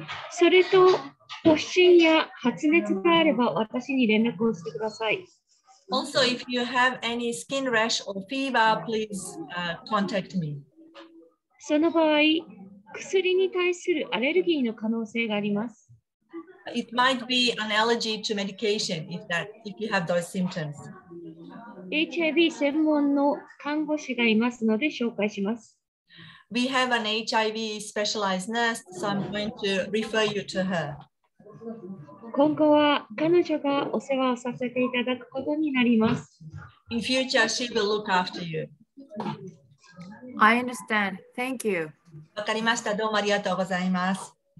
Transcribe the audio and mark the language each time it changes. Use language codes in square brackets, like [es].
[ja] それと発疹や発熱があれば私に連絡をしてください。 [en] Also, if you have any skin rash or fever, please contact me. [ja] その場合、薬に対するアレルギーの可能性があります。 [en] It might be an allergy to medication if you have those symptoms. [ja] HIV 専門の看護師がいますので紹介します。 [en] We have an HIV specialized nurse, so I'm going to refer you to her. [ja] 今後は彼女がお世話をさせていただくことになります。 [en] In future, she will look after you. I understand. Thank you. [ja] わかりました。どうもありがとうございます。